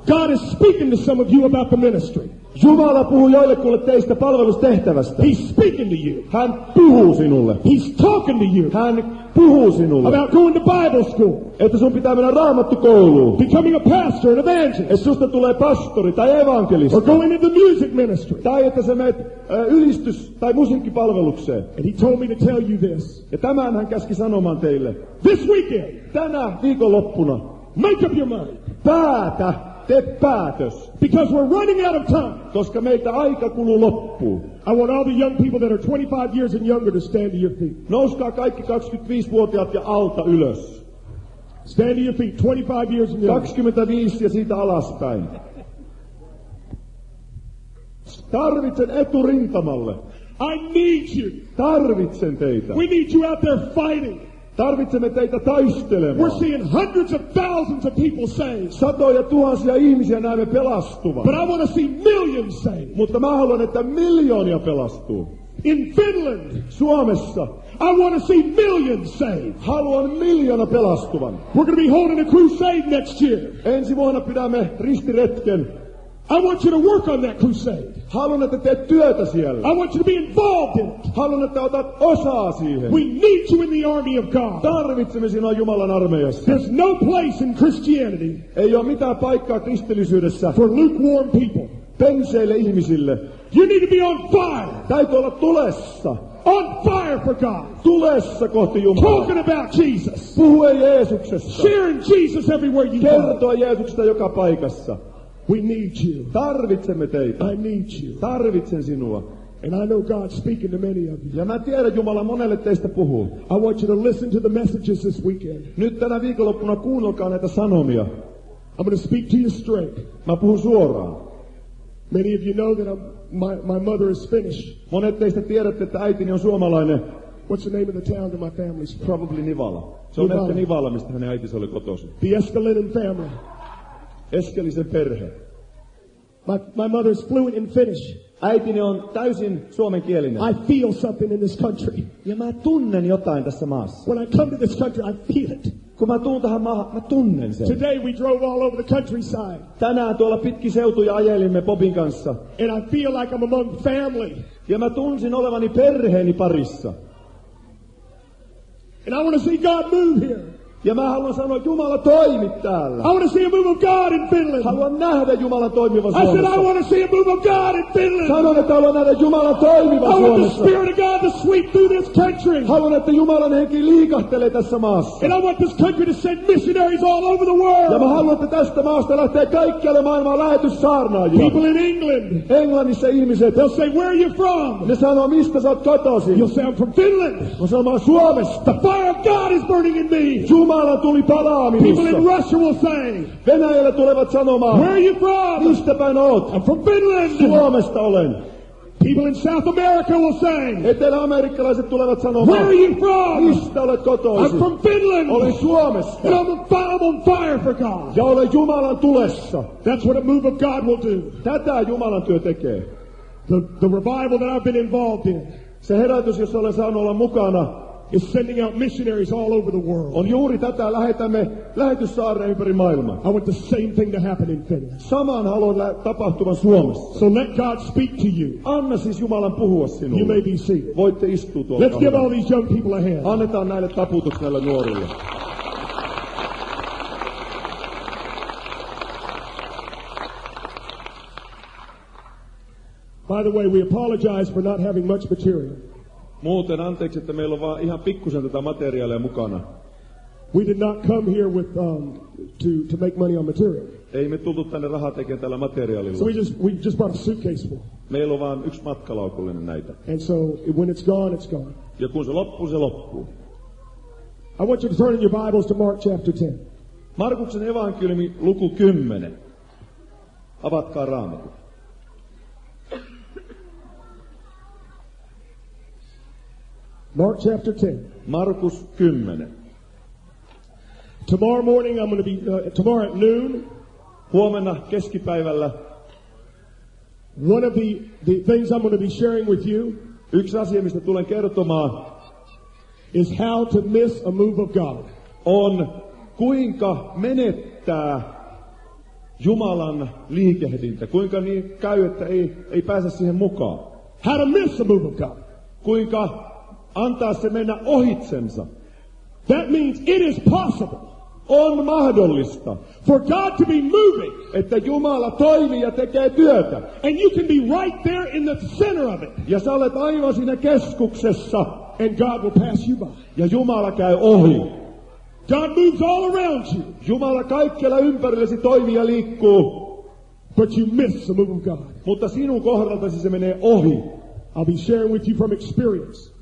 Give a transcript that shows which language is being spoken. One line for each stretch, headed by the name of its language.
English: God is speaking to some of you about the ministry.
Finnish: Jumala puhuu joillekulle teistä palvelustehtävästä.
English: He's speaking to you.
Finnish: Hän puhuu sinulle.
English: He's talking to you.
Finnish: Hän puhuu sinulle.
English: About going to Bible school.
Finnish: Että sun pitää mennä Raamattukouluun.
English: Becoming a pastor, an evangelist.
Finnish: Että susta tulee pastori tai evankelista.
English: Or going into music ministry.
Finnish: Tai että sä menet ylistys- tai musiikkipalvelukseen.
English: And he told me to tell you this.
Finnish: Ja tämän hän käski sanomaan teille.
English: This weekend.
Finnish: Tänä viikonloppuna.
English: Make up your mind.
Finnish: Päätä. Tee päätös.
English: Because we're running out of time.
Finnish: Koska meiltä aika kuluu loppuun.
English: I want all the young people that are 25 years and younger to stand to your feet.
Finnish: Nouskaa kaikki 25-vuotiaat ja alta ylös.
English: Stand to your feet, 25 years and younger.
Finnish: 25 ja siitä alaspäin. Tarvitsen eturintamalle.
English: I need you.
Finnish: Tarvitsen teitä.
English: We need you out there fighting.
Finnish: Tarvitsemme teitä taistelemaan.
English: We're seeing hundreds of thousands of people saved.
Finnish: Satoja tuhansia ihmisiä näemme pelastuvan.
English: But I want to see millions saved.
Finnish: Mutta mä haluan, että miljoonia pelastuu.
English: In Finland.
Finnish: Suomessa.
English: I want to see millions saved.
Finnish: Haluan miljoona pelastuvan.
English: We're going to be holding a crusade next year.
Finnish: Ensi vuonna pidämme ristiretken.
English: I want you to work on that crusade.
Finnish: Haluan, että teet työtä siellä.
English: I want you to be involved in it.
Finnish: Haluan, että otat osaa siihen.
English: We need you in the army of God.
Finnish: Tarvitsemme sinua Jumalan armeijassa.
English: There's no place in Christianity.
Finnish: Ei ole mitään paikkaa kristillisyydessä.
English: For lukewarm people.
Finnish: Penseille ihmisille.
English: You need to be on fire.
Finnish: Täytyy olla tulessa.
English: On fire for God.
Finnish: Tulessa kohti Jumalaa.
English: Talking about Jesus.
Finnish: Puhue Jeesuksesta.
English: Sharing Jesus everywhere you go.
Finnish: Kertoa Jeesuksesta joka paikassa.
English: We need you.
Finnish: Tarvitsemme teitä.
English: I need you.
Finnish: Tarvitsen sinua.
English: And I know God's speaking to many of you.
Finnish: Ja mä tiedän, Jumala monelle teistä puhuu.
English: I want you to listen to the messages this weekend.
Finnish: Nyt tänä viikonloppuna kuunnelkaa näitä sanomia.
English: I'm going to speak to you straight.
Finnish: Mä puhun suoraan.
English: Many of you know that my mother is Finnish.
Finnish: Monet teistä tiedätte, että äitini on suomalainen.
English: What's the name of the town that my family's from? Probably Nivala.
Finnish: Se on ehkä Nivala, mistä hänen äitinsä oli kotoisin.
English: The Eskelinen family.
Finnish: Eskelisen perhe.
English: My mother is fluent in Finnish.
Finnish: Äitini on täysin suomenkielinen.
English: I feel something in this country.
Finnish: Ja mä tunnen jotain tässä maassa.
English: When I come to this country, I feel it.
Finnish: Kun mä tuun tähän maahan, mä tunnen sen.
English: Today we drove all over the countryside.
Finnish: Tänään tuolla pitki seutuja ajelimme Bobin kanssa.
English: And I feel like I'm among family.
Finnish: Ja mä tunsin olevani perheeni parissa.
English: And I want to see God move here.
Finnish: Ja mä haluan sanoa, että Jumala toimi täällä.
English: I want to see a move of God in Finland.
Finnish: Haluan nähdä Jumalan toimiva Suomessa.
English: I said, I want to see a move of God in Finland.
Finnish: Sanon, että haluan nähdä Jumalan toimiva
English: I
Finnish: Suomessa.
English: I want the spirit of God to sweep through this country.
Finnish: Haluan, että Jumalan henki liikahtelee tässä maassa.
English: And I want this country to send missionaries all over the world.
Finnish: Ja mä haluan, että tästä maasta lähtee kaikkialle maailmaan lähetyssaarnaajia.
English: People in England.
Finnish: Englannissa ihmiset.
English: They'll say, where are you from?
Finnish: Ne sanoo, mistä sä oot kotoisin?
English: You'll say, I'm from Finland.
Finnish: Mä sanon, Suomesta.
English: The fire of God is burning in me.
Finnish: Jumala tuli palaa minussa.
English: People in Russia will say.
Finnish: Venäjällä tulevat sanomaan.
English: Where are you from?
Finnish: Mistä päin oot?
English: I'm from Finland.
Finnish: Suomesta olen.
English: People in South America will say.
Finnish: Etelä-amerikkalaiset tulevat sanomaan.
English: Where are you from?
Finnish: Mistä olet kotoisin?
English: I'm from Finland.
Finnish: Olen Suomesta.
English: And I'm on fire for God.
Finnish: Ja olen Jumalan tulessa.
English: That's what a move of God will do.
Finnish: Tätä Jumalan työ tekee.
English: The revival that I've been involved in.
Finnish: Se herätys, jossa olen saanut olla mukana.
English: Is sending out missionaries all over the world.
Finnish: On juuri tätä lähetämme lähetyssaareen ympäri maailmaa.
English: I want the same thing to happen in Finland.
Finnish: Samaan haluan tapahtuvan Suomessa.
English: So let God speak to you.
Finnish: Anna siis Jumalan puhua sinulle.
English: You may be seated.
Finnish: Voitte istua tuolla.
English: Let's give all these young people a hand.
Finnish: Annetaan näille taputus näille nuorille.
English: By the way, we apologize for not having much material.
Finnish: Muuten anteeksi, että meillä on vaan ihan pikkusen tätä materiaalia mukana.
English: We did not come here with to make money on material.
Finnish: Ei me tultu tänne rahaa tekemään tällä materiaalilla.
English: So we just brought a suitcase for.
Finnish: Meillä on vaan yksi matkalaukullinen näitä.
English: And so when it's gone, it's gone.
Finnish: Ja kun se loppuu, se loppuu.
English: I want you to turn in your Bibles to Mark chapter 10.
Finnish: Markuksen evankeliumi luku 10. Avatkaa Raamattu.
English: Mark chapter 10.
Finnish: Markus 10.
English: Tomorrow morning I'm going to be tomorrow at noon.
Finnish: Huomenna keskipäivällä.
English: One of the things I'm going to be sharing with you.
Finnish: Yksi asia, mistä tulen kertomaan.
English: is how to miss a move of God.
Finnish: On kuinka menettää Jumalan liikehdintä. Kuinka niin käy, että ei pääse siihen mukaan.
English: How to miss a move of God.
Finnish: Kuinka antaa se mennä ohitsensa.
English: That means it is possible.
Finnish: On mahdollista.
English: For God to be moving.
Finnish: Että Jumala toimii ja tekee työtä.
English: And you can be right there in the center of it.
Finnish: Ja sä olet aivan siinä keskuksessa.
English: And God will pass you by.
Finnish: Ja Jumala käy ohi.
English: God moves all around you.
Finnish: Jumala kaikkialla ympärillesi toimii ja liikkuu.
English: But you miss the move of God.
Finnish: Mutta sinun kohdaltasi se menee ohi.
English: I'll be sharing with you from experience.